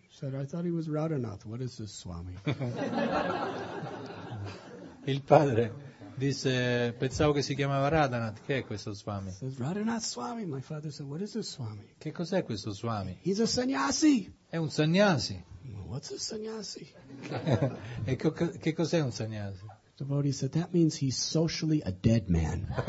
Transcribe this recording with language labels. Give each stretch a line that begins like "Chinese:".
English: Said, I thought he was Radhanath, what is this Swami.
Italian: Il padre disse, pensavo che si chiamava Radhanath, che è questo Swami.
English: Says, Radhanath Swami. My father said, what is this Swami.
Italian: Che cos'è questo Swami.
English: He's a sannyasi.
Italian: È un sannyasi.
English: What's a sannyasi?
Italian: E che cos'è un sannyasi?
English: The devotee said, that means he's socially a dead man.